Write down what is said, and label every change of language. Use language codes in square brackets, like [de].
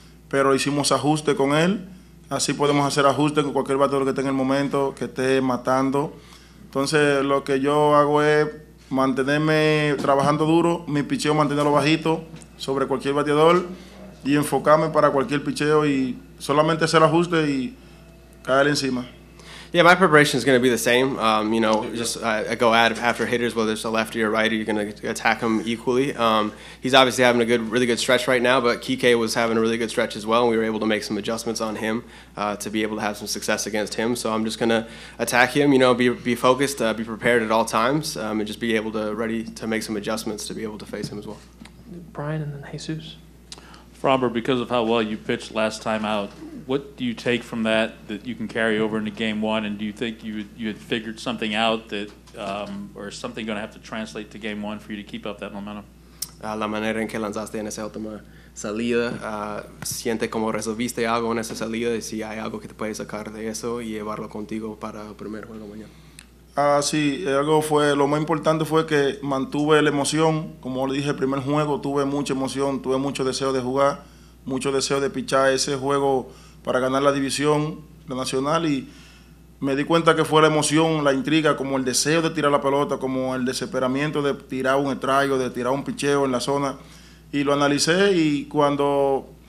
[es] Pero hicimos ajuste con él. Así podemos hacer ajustes con cualquier bateador que esté en el momento, que esté matando. Entonces, lo que yo hago es mantenerme trabajando duro, mi picheo mantenerlo bajito sobre cualquier bateador y enfocarme para cualquier picheo y solamente hacer ajustes y caer encima. [en] Yeah, my preparation is going to be the same. You know, just go at after hitters, whether it's a lefty or righty, you're going to attack him equally. He's obviously having a really good stretch right now, but Kike was having a really good stretch as well, and we were able to make some adjustments on him to be able to have some success against him. So I'm just going to attack him. You know, be focused, be prepared at all times, and just be able to ready to make some adjustments to be able to face him as well. Brian and then Jesus. Framber, because of how well you pitched last time out, what do you take from that that you can carry over into game one? And do you think you had figured something out that, or is something going to have to translate to game one for you to keep up that momentum? [es] La manera en que lanzaste en esa última salida, siente como resolviste algo en esa salida, y si hay algo que te puedes sacar de eso y llevarlo contigo para el primer juego mañana. Sí, algo fue, lo más importante fue que mantuve la emoción. Como le dije, el primer juego tuve mucha emoción, tuve mucho deseo de jugar, mucho deseo de pichar ese juego para ganar la división, la nacional, y me di cuenta que fue la emoción, la intriga, como el deseo de tirar la pelota, como el desesperamiento de tirar un estrago, de tirar un picheo en la zona, y lo analicé, y cuando